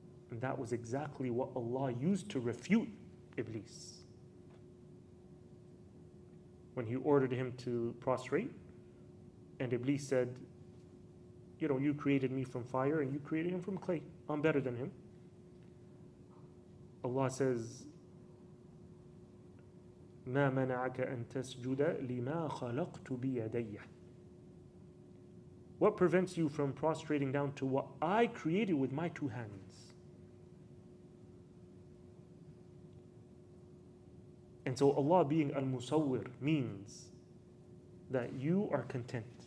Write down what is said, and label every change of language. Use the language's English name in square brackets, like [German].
[English] And that was exactly what Allah used to refute Iblis. When He ordered him to prostrate, and Iblis said, you know, you created me from fire and you created him from clay. I'm better than him. Allah says, [Arabic] مَا مَنَعَكَ أَن تَسْجُدَ لِمَا خَلَقْتُ بِيَدَيَّ. [English] What prevents you from prostrating down to what I created with my two hands? And so Allah being al-musawwir means that you are content.